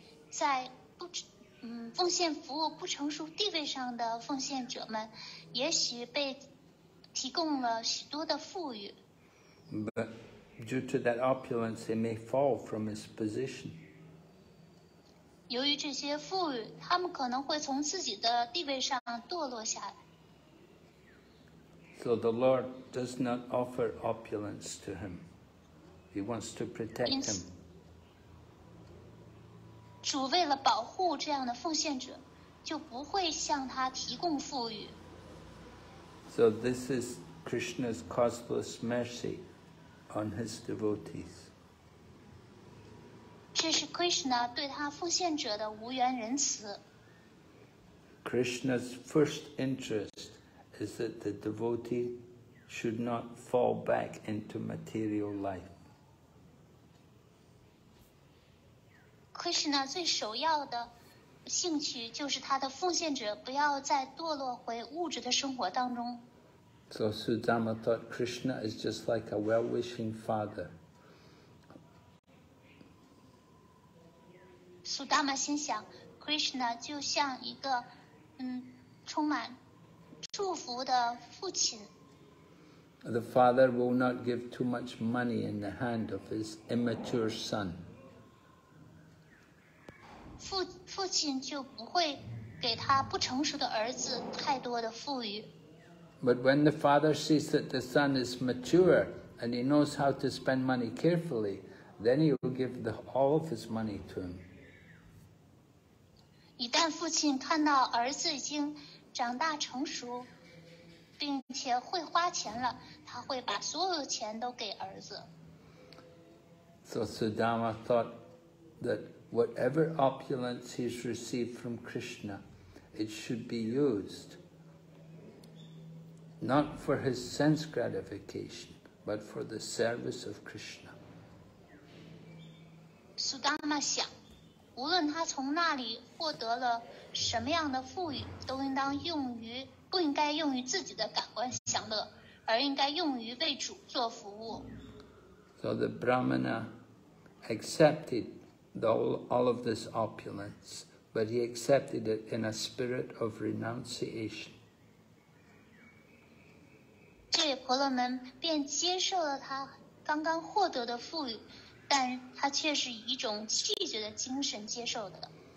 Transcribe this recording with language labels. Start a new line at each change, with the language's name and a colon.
Chinese: 在不奉献服务不成熟地位上的奉献者们，也许被提供了许多的富裕。
English: But due to that opulence, they may fall from his position.
Chinese: 由于这些富裕，他们可能会从自己的地位上堕落下来。
English: So the Lord does not offer opulence to him. He wants to protect him.
Chinese: 主为了保护这样的奉献者，就不会向他提供富裕。
English: So this is Krishna's causeless mercy on his devotees.
Chinese: 这是 Krishna 对他奉献者的无缘仁慈。
English: Krishna's first interest is that the devotee should not fall back into material life.
Chinese: Krishna 最首要的兴趣就是他的奉献者不要再堕落回物质的生活当中。
English: So Sudama thought Krishna is just like a well-wishing father.
Chinese: Sudama 心想 ，Krishna 就像一个充满祝福的父亲。
English: The father will not give too much money in the hand of his immature son.
Chinese: 父亲就不会给他不成熟的儿子太多的富裕。
English: But when the father sees that the son is mature and he knows how to spend money carefully, then he will give all of his money to him.
Chinese: 一旦父亲看到儿子已经长大成熟，并且会花钱了，他会把所有钱都给儿子。
English: So Sudama thought that whatever opulence he's received from Krishna, it should be used not for his sense gratification, but for the service of Krishna.
Chinese: Sudama 想，无论他从那里获得了什么样的富裕，都应当用于不应该用于自己的感官享乐，而应该用于为主做服务。
English: So the Brahmana accepted all of this opulence, but he accepted it in a spirit of renunciation.
Chinese: 这位婆罗门便接受了他刚刚获得的富裕，但他却是以一种弃绝的精神接受的。